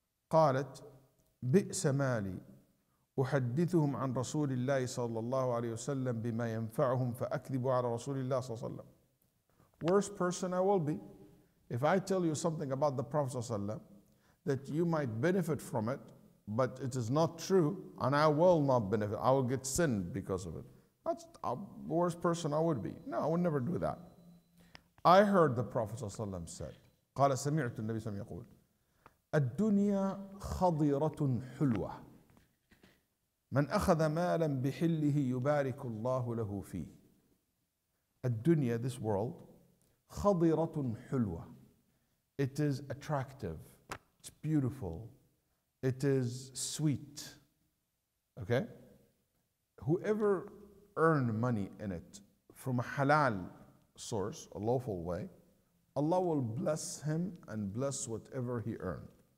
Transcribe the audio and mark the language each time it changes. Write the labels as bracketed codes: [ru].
[ar] قَالَتْ بِئْسَ مَالِي أُحَدِّثُهُمْ عَنْ رَسُولِ اللَّهِ صَلَّى اللَّهُ عَلَيْهِ وَسَلَّمَ بِمَا يَنْفَعُهُمْ فَأَكْذِبُ عَلَى رَسُولِ اللَّهِ صَلَّى اللَّهُ عَلَيْهِ. [en] Worst person I will be. If I tell you something about the Prophet ﷺ that you might benefit from it, but it is not true, and I will not benefit, I will get sinned because of it. That's the worst person I would be. No, I would never do that. I heard the Prophet ﷺ said, [ar] قَالَ سَمِعْتُ النَّبِيَ سَمْ يَقُولُ الدُّنْيَا خَضِيرَةٌ حُلْوَةٌ مَنْ أَخَذَ مَالًا بِحِلِّهِ يُبَارِكُ اللَّهُ لَهُ فِيهِ. الدُّنْيَا, [en] this world, [ar] خَضِيرَةٌ حُلْوَةٌ, [en] it is attractive, it's beautiful, it is sweet, okay? Whoever earn money in it from a halal source, a lawful way, Allah will bless him and bless whatever he earned.